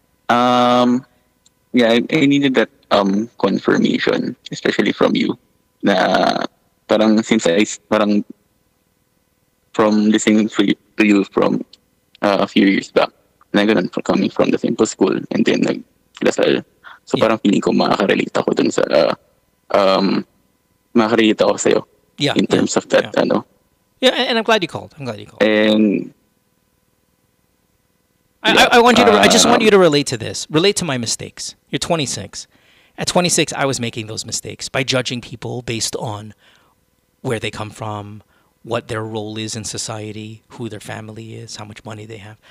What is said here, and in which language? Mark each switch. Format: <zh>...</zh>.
<en>I needed that confirmation, especially from you.</en> <tl>Na parang</tl> <en>since I parang from listening to you from a few years back,</en> <tl>na ganun,</tl> <en>for coming from the simple school and then nag-lasal.</en> <tl>So parang feeling ko makaka-relate ako dun sa makaka-relate ako sa'yo.</tl> <en>Yeah, in terms of that, ano. Yeah, and I'm glad you called. And I want you to. I just want you to relate to this. Relate to my mistakes. You're 26. At 26, I was making those mistakes by judging people based on where they come from, what their role is in society, who their family is, how much money they have.</en>